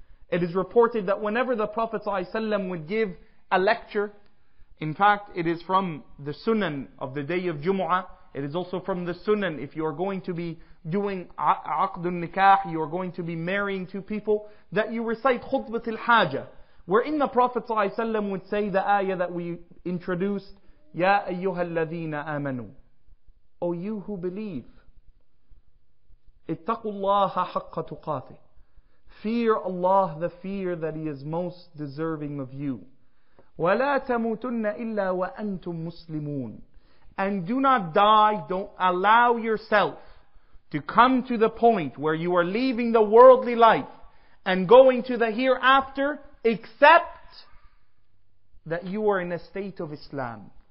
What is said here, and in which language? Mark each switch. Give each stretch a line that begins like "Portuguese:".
English: It is reported that whenever the Prophet sallallahu alaihi wasallam would give a lecture, in fact it is from the Sunan of the day of Jumu'ah, it is also from the Sunan if you are going to be doing Aqdun Nikah, you are going to be marrying two people, that you recite Khutbatul Hajah. Wherein the Prophet ﷺ would say the ayah that we introduced,
Arabic: Ya ayyuha alladhina amanu.
English: O you who believe.
Arabic: اتقوا الله حق تقاته.
English: Fear Allah the fear that He is most deserving of you.
Arabic: ولا تموتن إلا وأنتم مسلمون.
English: And do not die, don't allow yourself to come to the point where you are leaving the worldly life and going to the hereafter, except that you are in a state of Islam.